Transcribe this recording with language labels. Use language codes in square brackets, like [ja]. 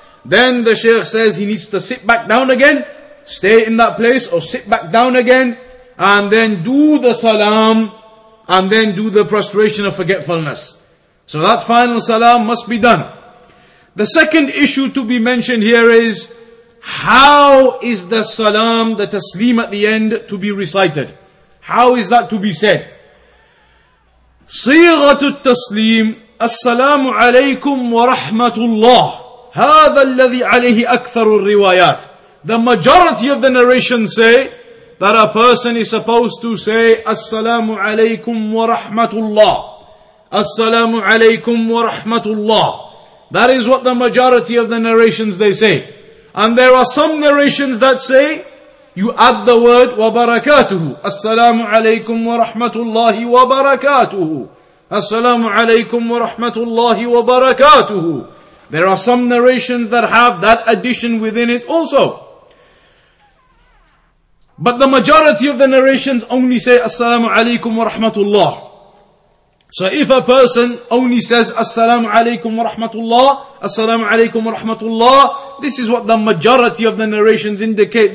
[en] Then the Shaykh says he needs to sit back down again, stay in that place, or sit back down again, and then do the salam, and then do the prostration of forgetfulness. So that final salam must be done. The second issue to be mentioned here is, how is the salam, the taslim at the end, to be recited? How is that to be said? [ar] صيغة التسليم السلام عليكم ورحمة الله هذا الذي عليه أكثر الروايات. [en] The majority of the narrations say that a person is supposed to say [ar] السلام عليكم ورحمة الله. السلام عليكم ورحمة الله. [en] That is what the majority of the narrations they say. And there are some narrations that say you add the word وبركاته. [ar] السلام عليكم ورحمة الله وبركاته. السلام عليكم ورحمة الله وبركاته. [en] There are some narrations that have that addition within it also. But the majority of the narrations only say [ar] السلام عليكم ورحمة الله. [en] So if a person only says [ar] assalamu alaykum wa rahmatullah, [en] assalamu alaykum wa rahmatullah, this is what the majority of the narrations indicate.